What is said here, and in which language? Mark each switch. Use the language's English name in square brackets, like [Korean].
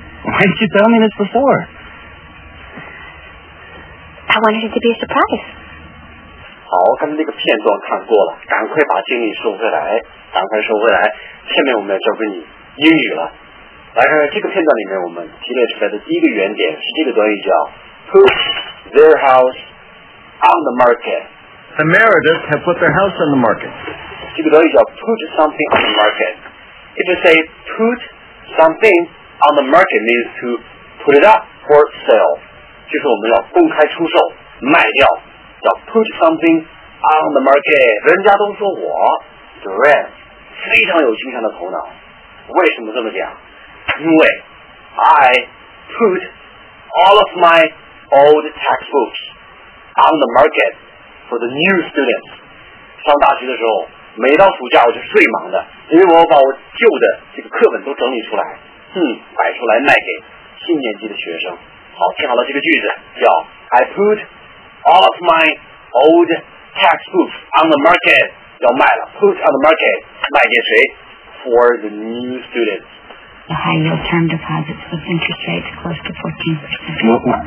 [English] Why didn't you tell me this before? I wanted it to be a surprise. [Chinese] 好，刚才那个片段看过了，赶快把精力收回来，赶快收回来。下面我们要教给你英语了。来看看这个片段里面我们提炼出来的第一个原点是这个短语叫 [English] put their house on the market. The Merediths have put their house on the market. [Chinese] 这个短语叫 [English] put something on the market. If you say put something. On the market means to put it up for sale. [Chinese] 就是我们要公开出售卖掉，要 [English] put something on the market. [Chinese] 人家都说我 Durant 非常有经商的头脑，为什么这么讲？ [English] 因为 I put all of my old textbooks on the market for the new students. [Chinese] 上大学的时候每到暑假我就最忙的，因为我把我旧的这个课本都整理出来，摆出来卖给新年级的学生。好，听好了这个句子，叫 [English] I put all of my old textbooks on the market. [Chinese] 要卖了， [English] put on the market [Chinese] 卖给谁？ [English] For the new students. The high yield term deposits with interest rates close to 14%.